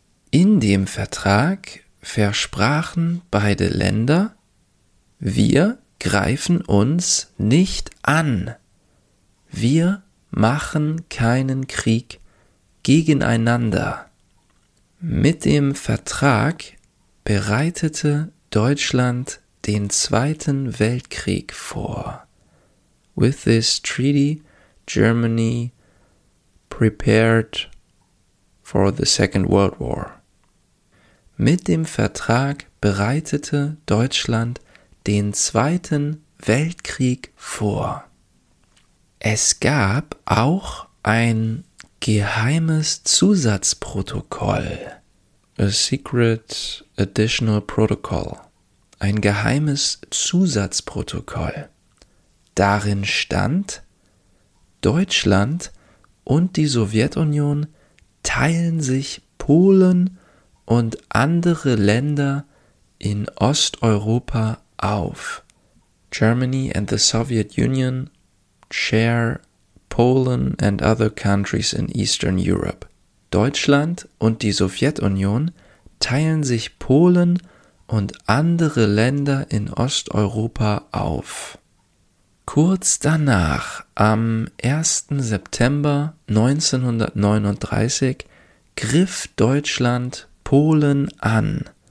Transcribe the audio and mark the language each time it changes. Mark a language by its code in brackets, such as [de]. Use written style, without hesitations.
[de] In dem Vertrag versprachen beide Länder, wir greifen uns nicht an. Wir machen keinen Krieg gegeneinander. Mit dem Vertrag bereitete Deutschland den Zweiten Weltkrieg vor. [en] With this treaty, Germany prepared for the Second World War. [de] Mit dem Vertrag bereitete Deutschland den Zweiten Weltkrieg vor. Es gab auch ein geheimes Zusatzprotokoll. [en] A secret additional protocol. [de] Ein geheimes Zusatzprotokoll. Darin stand, Deutschland und die Sowjetunion teilen sich Polen und andere Länder in Osteuropa auf. [en] Germany and the Soviet Union share Poland and other countries in Eastern Europe. [de] Deutschland und die Sowjetunion teilen sich Polen und andere Länder in Osteuropa auf. Kurz danach, am 1. September 1939, griff Deutschland Polen an.